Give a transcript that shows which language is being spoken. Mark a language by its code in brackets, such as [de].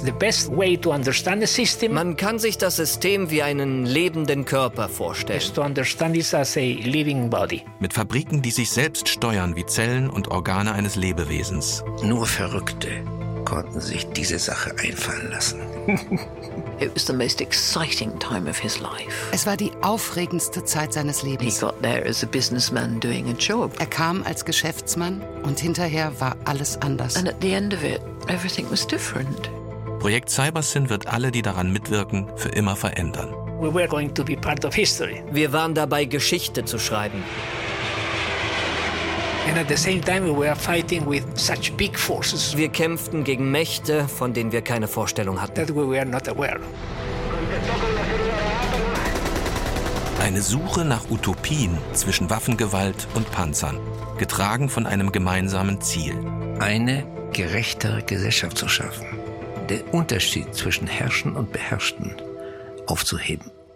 [en] The best way to understand the system. [de] Man kann sich das System wie einen lebenden Körper vorstellen. [en] Is to understand it as a living body. [de] Mit Fabriken, die sich selbst steuern wie Zellen und Organe eines Lebewesens. Nur Verrückte konnten sich diese Sache einfallen lassen. [en] It was the most exciting time of his life. [de] Es war die aufregendste Zeit seines Lebens. [en] He got there as a businessman doing a job. [de] Er kam als Geschäftsmann und hinterher war alles anders. [en] And at the end of it, everything was different. [de] Projekt CyberSyn wird alle, die daran mitwirken, für immer verändern. [en] We were going to be part of history. [de] Wir waren dabei, Geschichte zu schreiben. [en] And at the same time we were fighting with such big forces. [de] Wir kämpften gegen Mächte, von denen wir keine Vorstellung hatten. [en] That we were not aware. [de] Eine Suche nach Utopien zwischen Waffengewalt und Panzern, getragen von einem gemeinsamen Ziel. Eine gerechtere Gesellschaft zu schaffen, den Unterschied zwischen Herrschen und Beherrschten aufzuheben.